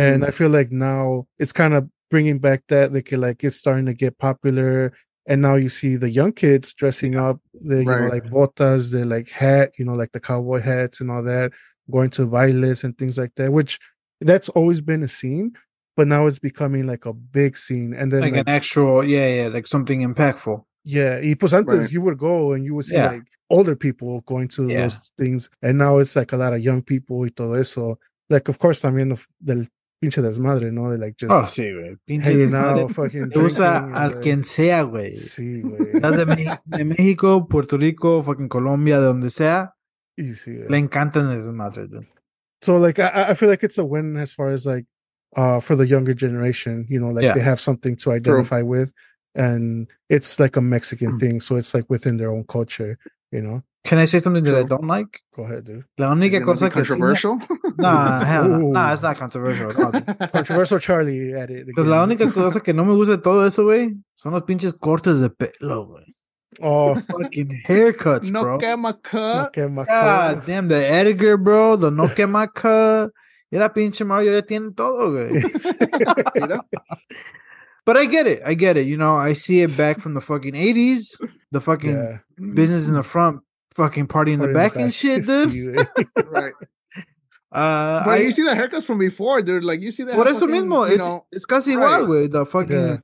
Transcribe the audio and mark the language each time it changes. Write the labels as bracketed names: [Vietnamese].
[English] And I feel like now it's kind of bringing back that, like it's starting to get popular, and now you see the young kids dressing up, the you know, like botas, the like hat, you know, like the cowboy hats and all that, going to bailes and things like that, which that's always been a scene, but now it's becoming like a big scene, and then like an actual like something impactful. Yeah, [Spanish] y pues antes [English] you would go and you would see like older people going to those things, and now it's like a lot of young people [Spanish] y todo eso. [English] Like of course [Spanish] también del pinche desmadre, no? [English] They're like just [Spanish] pinche desmadre. [English] Fucking [Spanish] usa al quien sea, güey. Sí, güey. Estás de México, Puerto Rico, fucking Colombia, de donde sea. Y sí, le encantan el desmadre, dude. [English] So, like, I feel like it's a win as far as, like, for the younger generation, you know, like they have something to identify with, and it's like a Mexican thing, so it's like within their own culture, you know. Can I say something that I don't like? Go ahead, dude. [Spanish] La única cosa que [English] controversial? Nah, it's not controversial. Controversial Charlie at it again. Because [Spanish] la única cosa que no me gusta todo eso, güey, son los pinches cortes de pelo, güey. [English] Oh, fucking haircuts, [Spanish] no [English] bro. [Spanish] No quema cuh. No quema cuh. [English] God damn, the Edgar, bro. The [Spanish] no quema cuh. Y la pinche Mario ya tiene todo, güey. [English] But I get it. I get it. You know, I see it back from the fucking 80s. The fucking business in the front. Fucking party in the back and shit, dude. Right. But you see the haircuts from before, dude. Like, you see that. What is [Spanish] eso mismo? [English] It's, you know, it's [Spanish] casi igual, güey. [English] The fucking.